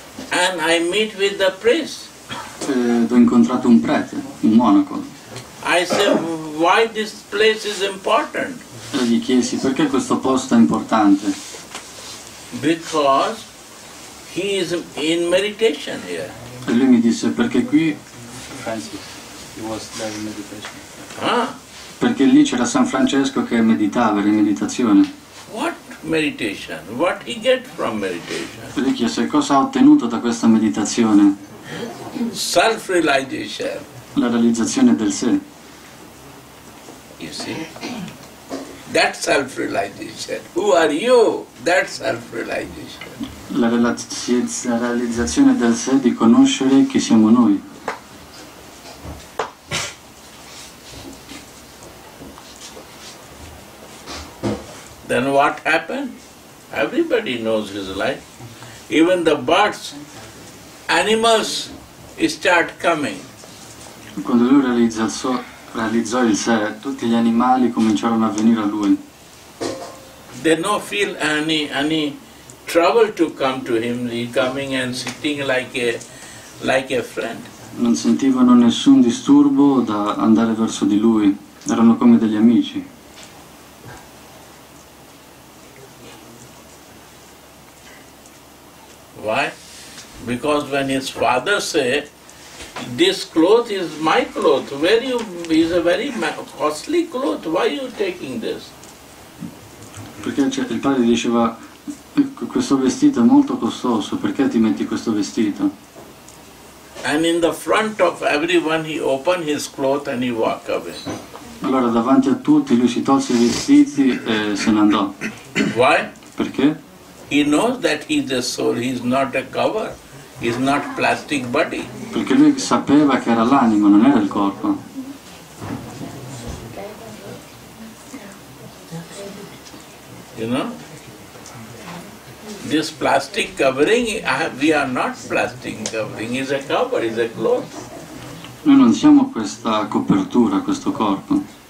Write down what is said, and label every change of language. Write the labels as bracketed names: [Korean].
[English] And I meet with the priest. [Italian] Ho incontrato un prete, un monaco. [English] I said, why this place is important? [Italian] E gli chiesi, perché questo posto è importante? [English] Because he is in meditation here. [Italian] E lui mi disse, perché qui... [English] Francis, he was there in meditation. Ah. [Italian] Perché lì c'era San Francesco che meditava, era in meditazione. [English] What meditation? What he get from meditation? [Italian] E gli chiese, cosa ha ottenuto da questa meditazione? [English] Self-realization. [Italian] La realizzazione del sé. [English] You see? That self-realization. Who are you? That self-realization. [Italian] La realizzazione del sé di conoscere chi siamo noi. [English] Then what happened? Everybody knows his life. Even the birds, animals start coming. [Italian] Quando lui realizzò il sé, tutti gli animali cominciarono a venire a lui. [English] They no feel any trouble to come to him, he coming and sitting like a friend. [Italian] Non sentivano nessun disturbo da andare verso di lui. Erano come degli amici. [English] Why? Because when his father say, this cloth is my cloth, is a very costly cloth, why are you taking this? [Italian] Perché il padre diceva, questo vestito è molto costoso, perché ti metti questo vestito? [English] And in the front of everyone he opened his cloth and he walked away. [Italian] Allora davanti a tutti lui si tolse i vestiti e se ne andò. [English] Why? [Italian] Perché? [English] He knows that he is a soul, he is not a cover. Is not plastic body. [Italian] Perché lui sapeva che era l'anima, non era il corpo. [English] You know? This plastic covering, we are not plastic covering, is a cover, is a cloth. [Italian] Noi non siamo questa copertura, questo corpo.